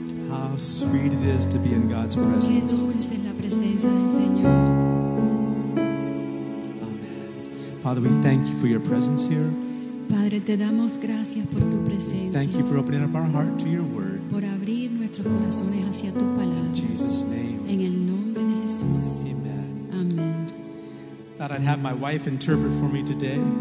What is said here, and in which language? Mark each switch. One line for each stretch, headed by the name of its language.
English: How sweet it is to be in God's presence.
Spanish: Qué dulce es la presencia del Señor. Amén.
English: Father, we thank you for your presence here.
Spanish: Padre, te damos gracias por tu presencia.
English: Thank you for opening up our heart to your word.
Spanish: Por abrir nuestros corazones hacia tu palabra.
English: In Jesus' name.
Spanish: En el nombre de Jesús.
English: Amen. Amen. Thought I'd have my wife interpret for me today.